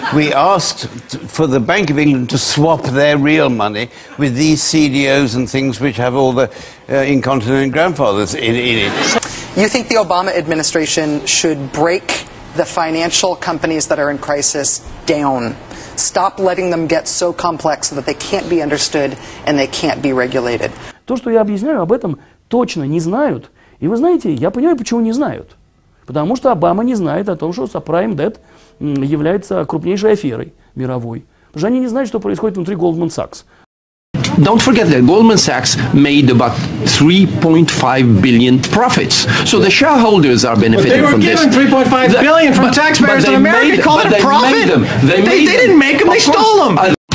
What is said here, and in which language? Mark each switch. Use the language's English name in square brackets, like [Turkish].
[English] We asked for the Bank of England to swap their real money with these CDOs and things which have all the incontinent grandfathers in it. You think the Obama administration should break the financial companies that are in crisis down? Stop letting them get so complex that they can't be understood and they can't be regulated. [Russian] То, что я объясняю, об этом точно не знают. И вы знаете, я понимаю, почему не знают. Потому что Обама не знает о том, что subprime debt является крупнейшей аферой мировой. Потому что они не знают, что происходит внутри Goldman Sachs. [English] Don't forget that Goldman Sachs made about 3.5 billion profits. So the shareholders are benefiting from this. But they were given 3.5 billion from taxpayers in America. You call it a profit? They didn't make them, they stole them.